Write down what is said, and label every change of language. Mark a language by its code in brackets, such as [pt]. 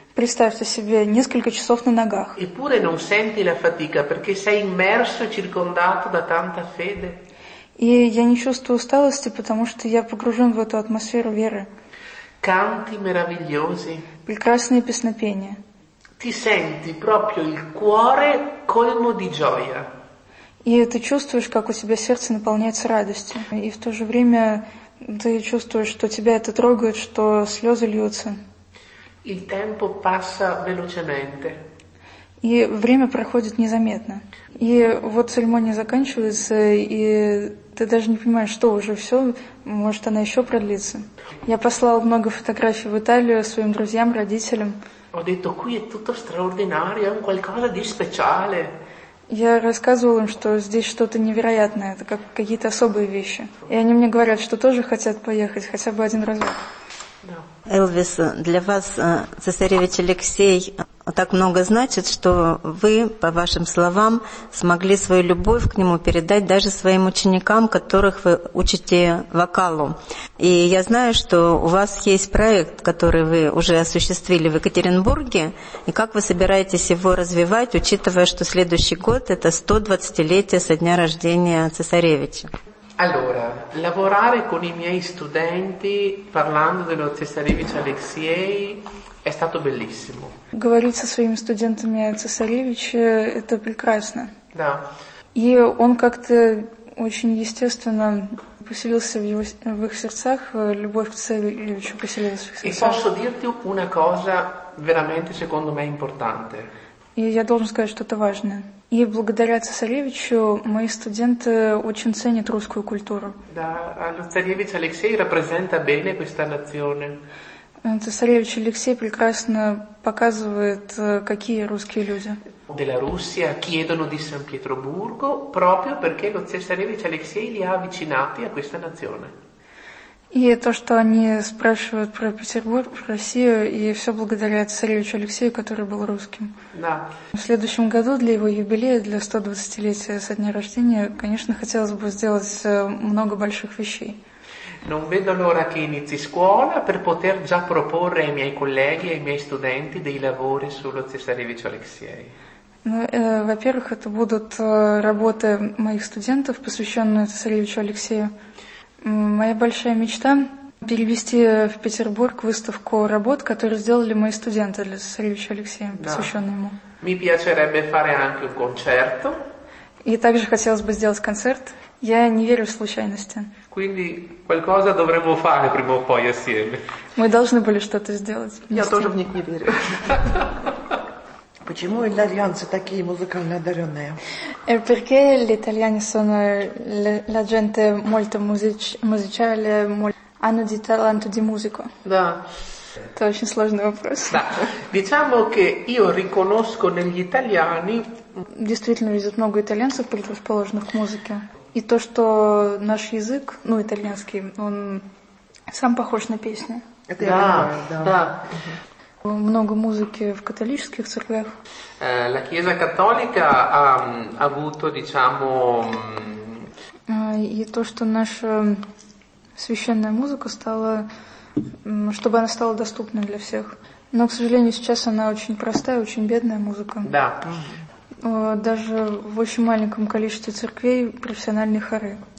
[ru] Представьте себе несколько часов на ногах. [it] Eppure non senti la fatica, perché sei immerso e circondato da tanta fede. [ru] И я не чувствую усталости, потому что я погружен в эту атмосферу веры. [it] Canti meravigliosi. [ru] Прекрасные песнопения. [it] Ti senti proprio il cuore colmo di gioia. [ru] И ты чувствуешь, как у тебя сердце наполняется радостью, и в то же время ты чувствуешь, что тебя это трогает, что слезы льются. [it] Il tempo passa velocemente. [ru] И время проходит незаметно. И вот церемония заканчивается, и ты даже не понимаешь, что уже все, может, она еще продлится. Я послал много фотографий в Италию своим друзьям, родителям. [it] Ho detto, qui è tutto straordinario, è un qualcosa di speciale. [ru] Я рассказывал им, что здесь что-то невероятное, это как какие-то особые вещи. И они мне говорят, что тоже хотят поехать хотя бы один раз. Элвис, для вас цесаревич Алексей так много значит, что вы, по вашим словам, смогли свою любовь к нему передать даже своим ученикам, которых вы учите вокалу. И я знаю, что у вас есть проект, который вы уже осуществили в Екатеринбурге, и как вы собираетесь его развивать, учитывая, что следующий год – это 120-летие со дня рождения цесаревича? [it] Allora, lavorare con i miei studenti parlando dello Cesarevich Alexei è stato bellissimo. [ru] Говорить со своими студентами о цесаревиче – это прекрасно. Да. И он как-то очень естественно поселился в их сердцах, любовь к цесаревичу поселилась в их сердцах. [it] И posso dirti una cosa veramente secondo me importante. [ru] И я должен сказать что-то важное. И благодаря цесаревичу мои студенты очень ценят русскую культуру. [it] Да, цесаревич Алексей репрезента bene questa nazione. [ru] Цесаревич Алексей прекрасно показывает, какие русские люди. [it] Della Russia chiedono di San Pietroburgo proprio perché lo цесаревич Алексей li ha avvicinati a questa nazione. [ru] И то, что они спрашивают про Петербург, про Россию, и все благодаря цесаревичу Алексею, который был русским. Да. В следующем году для его юбилея, для 120-летия со дня рождения, конечно, хотелось бы сделать много больших вещей. [it] Non vedo l'ora che inizi scuola per poter già proporre ai miei colleghi e ai miei studenti dei lavori sullo цесаревичу Алексею. [ru] Ну, во-первых, это будут работы моих студентов, посвященные цесаревичу Алексею. Моя большая мечта – перевести в Петербург выставку работ, которые сделали мои студенты для цесаревича Алексея, посвященные ему. [it] Mi piacerebbe fare anche un concerto. [ru] И также хотелось бы сделать концерт. Я не верю в случайности. [it] Quindi qualcosa dovremmo fare prima o poi assieme. [ru] Мы должны были что-то сделать вместе. Я тоже в них не верю. Почему итальянцы такие музыкально одаренные? [it] Perché gli italiani sono la gente molto musicale, hanno di talento di musico. [ru] Да. Это очень сложный вопрос. Да. [it] Diciamo che io riconosco negli italiani. [ru] Действительно, есть много итальянцев, предрасположенных к музыке. И то, что наш язык, ну, итальянский, он сам похож на песни. Это я понимаю, да. Много музыки в католических церквях. [it] La Chiesa Cattolica ha avuto, diciamo... [ru] И то, что наша священная музыка стала... чтобы она стала доступной для всех. Но, к сожалению, сейчас она очень простая, очень бедная музыка. Да. Даже в очень маленьком количестве церквей профессиональные хоры.